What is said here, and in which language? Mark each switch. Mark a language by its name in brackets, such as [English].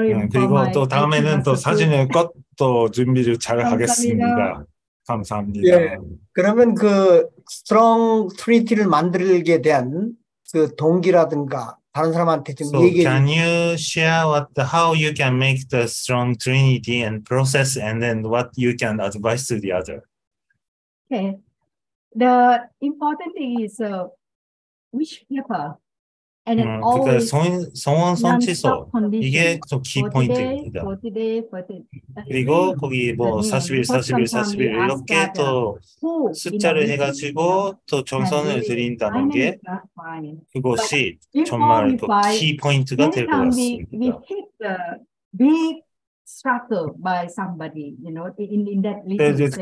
[Korean] 그리고 또 다음에는 또 사진을 꼭 또 준비를 잘 하겠습니다. 감사합니다. 예, 그러면 그 스트롱 트리티를 만들게 된 그 동기라든가 다른 사람한테 좀 얘기해 주세요. [English] Can you share how you can make the strong trinity and process and then what you can advise to the other? Okay. The important thing is wish paper and then always [Korean] 성원 성취서 이게 또 key point입니다. 그리고 거기 뭐 41 이렇게 또 숫자를 해가지고 또 정선을 드린다는 게 그것이 정말 또 key point가 될 것 같습니다.